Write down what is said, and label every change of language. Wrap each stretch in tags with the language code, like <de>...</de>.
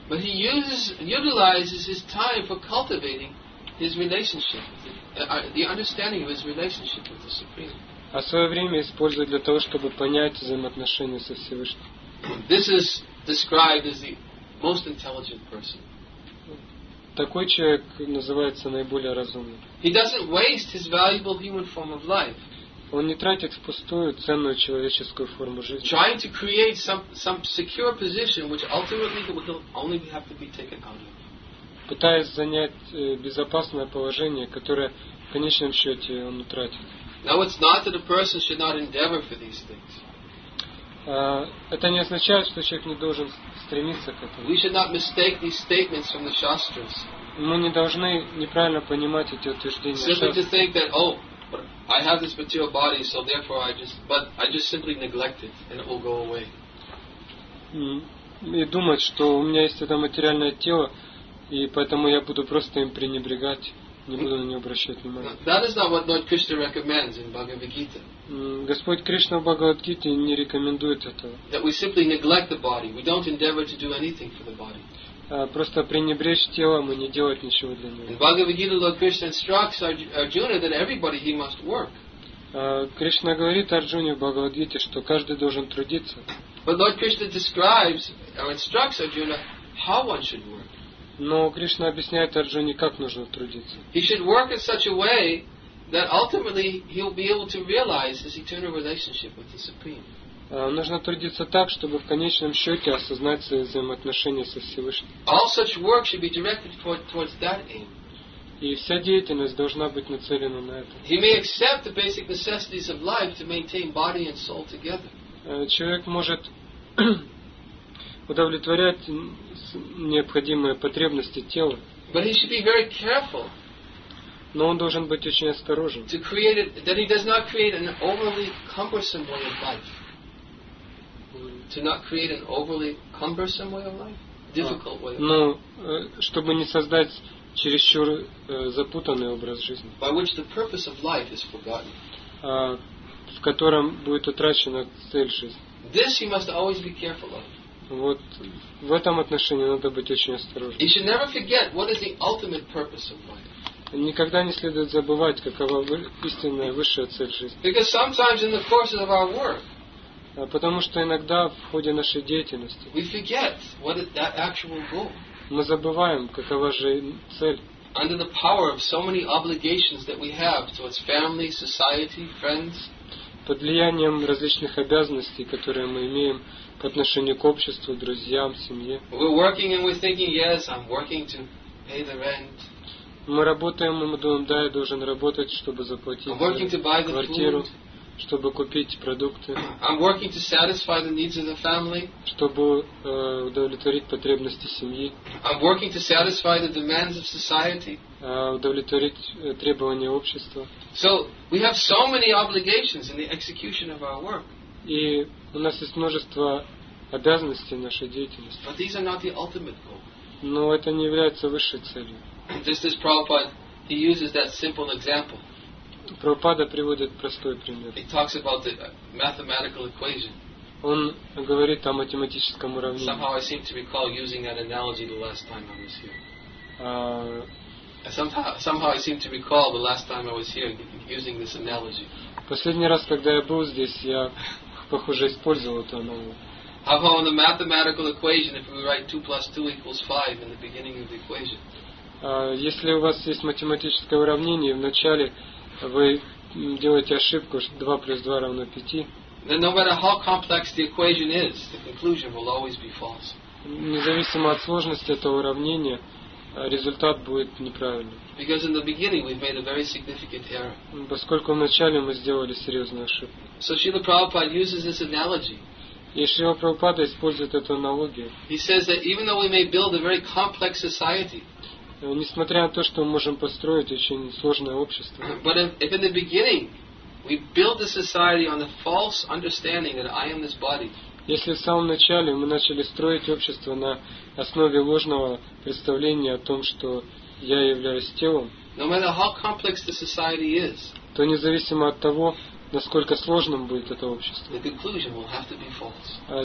<en>But he utilizes his time for cultivating his relationship, the understanding of his relationship with the Supreme.</en> <ru>А свое время использует для того, чтобы понять взаимоотношения со Всевышним.</ru> <en>This is described as the most intelligent person.</en> <ru>Такой человек называется наиболее разумным.</ru> <en>He doesn't waste his valuable human form of life.</en> <ru>Он не тратит впустую ценную человеческую форму жизни.</ru> <en>Trying to create some secure position which ultimately will only have to be taken out of.</en> <ru>Пытаясь занять безопасное положение, которое в конечном счете он утратит.</ru> <en>Now it's not that a person should not endeavor for these things.</en> <ru>Это не означает, что человек не должен стремиться к этому.</ru> <en>We should not mistake these statements from the shastras.</en> <ru>Мы не должны неправильно понимать эти утверждения.</ru> <en>Simply to think that, oh, I have this material body, so therefore I just simply neglect it and it will go away.</en> <ru>И думать, что у меня есть это материальное тело, и поэтому я буду просто им пренебрегать. Не буду на него обращать внимания.</ru> <en>That is not what Lord Krishna recommends in Bhagavad Gita.</en> <ru>Господь Кришна в Бхагавад Гите не рекомендует этого.</ru> <en>That we simply neglect the body. We don't endeavor to do anything for the body.</en> <ru>Просто пренебречь телом и не делать ничего для него.</ru> <en>In Bhagavad Gita, Lord Krishna instructs Arjuna that everybody he must work.</en> <ru>Кришна говорит Арджуне в Бхагавад Гите, что каждый должен трудиться.</ru> <en>But Lord Krishna describes or instructs Arjuna how one should work.</en> <ru>Но Кришна объясняет Арджуне, как нужно трудиться.</ru> <en>He should work in such a way that ultimately he'll be able to realize his eternal relationship with the Supreme.</en> <ru>Нужно трудиться так, чтобы в конечном счете осознать свои взаимоотношения со Всевышним.</ru> <en>All such work should be directed towards that aim.</en> <ru>И вся деятельность должна быть нацелена на это.</ru> <en>He may accept the basic necessities of life to maintain body and soul together.</en> <ru>Человек может удовлетворять необходимые потребности тела.</ru> <en>But he should be very careful.</en> <ru>Но он должен быть очень осторожен.</ru> <en>To create it, that he does not create an overly cumbersome way of life. To not create an overly cumbersome way of life, difficult way of life.</en> <ru>Но чтобы не создать чересчур запутанный образ жизни.</ru> <en>By which the purpose of life is forgotten.</en> <ru>В котором будет утрачена цель жизни.</ru> <en>This he must always be careful of.</en> <ru>Вот в этом отношении надо быть очень осторожным.</ru> <en>He should never forget what is the ultimate purpose of life.</en> <ru>Никогда не следует забывать, какова истинная высшая цель жизни.</ru> <en>Because sometimes in the course of our work.</en> <ru>Потому что иногда в ходе нашей деятельности мы забываем, какова же цель.</ru> <en>Under the power of so many obligations that we have towards family, society, friends.</en> <ru>Под влиянием различных обязанностей, которые мы имеем по отношению к обществу, друзьям, семье.</ru> <en>We're working and we're thinking, yes, I'm working to pay the rent.</en> <ru>Мы работаем, и мы думаем, да, я должен работать, чтобы заплатить</ru> <en>I'm working to buy the</en> <ru>квартиру.</ru> <en>Food.</en> <ru>Чтобы купить продукты.</ru> <en>I'm working to satisfy the needs of the family.</en> <ru>Чтобы удовлетворить потребности семьи.</ru> <en>I'm working to satisfy the demands of society.</en> <ru>Удовлетворить требования общества.</ru> <en>So we have so many obligations in the execution of our work.</en> <ru>И у нас есть множество обязанностей в нашей деятельности.</ru> <en>But these are not the ultimate goal.</en> <ru>Но это не является высшей целью.</ru> <en>Just as Prabhupada, he uses that simple example.</en> <ru>Прабхупада приводит простой пример.</ru> <en>He talks about the mathematical equation.</en> <ru>Он говорит о математическом уравнении.</ru> <en>Somehow I seem to recall using that analogy the last time I was here. Somehow I seem to recall the last time I was here using this analogy.</en> <ru>Последний раз, когда я был здесь, я похоже использовал эту аналогию.</ru> <en>Somehow in the mathematical equation, if we write 2 + 2 = 5 in the beginning of the equation.</en> <ru>Если у вас есть математическое уравнение, в начале вы делаете ошибку, что 2 плюс 2 равно 5.</ru> <en>Then no matter how complex the equation is, the conclusion will always be false.</en> <ru>Независимо от сложности этого уравнения, результат будет неправильным.</ru> <en>Because in the beginning we've made a very significant error.</en> <ru>Поскольку вначале мы сделали серьезную ошибку.</ru> <en>So Srila Prabhupada uses this analogy.</en> <ru>И Шрила Прабхупада использует эту аналогию.</ru> <en>He says that even though we may build a very complex society,</en> <ru>несмотря на то, что мы можем построить очень сложное общество.</ru> <en>But if in the beginning we build the society on the false understanding that I am this body.</en> <ru>Если в самом начале мы начали строить общество на основе ложного представления о том, что я являюсь телом.</ru> <en>No matter how complex the society is.</en> <ru>То независимо от того, насколько сложным будет это общество.</ru> <en>The conclusion will have to be false.</en>